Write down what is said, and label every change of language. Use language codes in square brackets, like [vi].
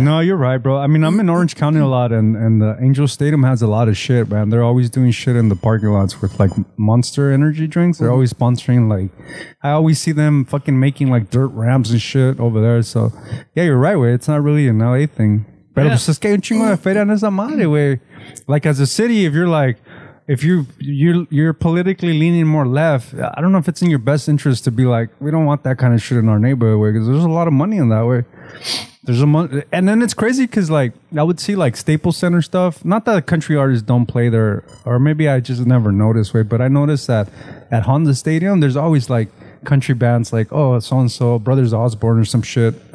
[en] No, you're right, bro. I mean, I'm in Orange County a lot, and the Angel Stadium has a lot of shit, man. They're always doing shit in the parking lots with, like, Monster energy drinks. They're always sponsoring, like, I always see them fucking making, like, dirt ramps and shit over there. So, yeah, you're right, it's not really an LA thing. [es] Pero pues es que un chingo de feria en esa madre, güey. [en] Like, as a city, if you're, like, if you're politically leaning more left, I don't know if it's in your best interest to be like, we don't want that kind of shit in our neighborhood, because there's a lot of money in that way. There's a money, and then it's crazy because like I would see like Staples Center stuff. Not that country artists don't play there, or maybe I just never noticed, but I noticed that at Honda Stadium, there's always like country bands like, oh, so and so, Brothers Osborne or some shit.